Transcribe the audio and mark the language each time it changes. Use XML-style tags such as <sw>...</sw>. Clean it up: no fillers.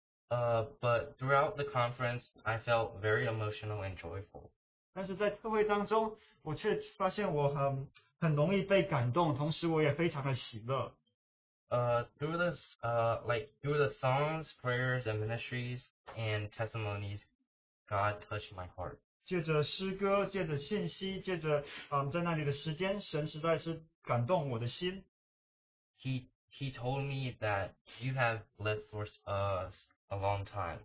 <en>But throughout the conference, I felt very emotional and joyful.</en> <zh>但是在特会当中，我却发现我很容易被感动，同时我也非常的喜乐。</zh> <en>Through the songs, prayers, and ministries, and testimonies, God touched my heart.</en> <zh>借着诗歌，借着信息，借着在那里的时间，神实在是感动我的心。</zh> <en>He told me that you have lived for a long time.</en>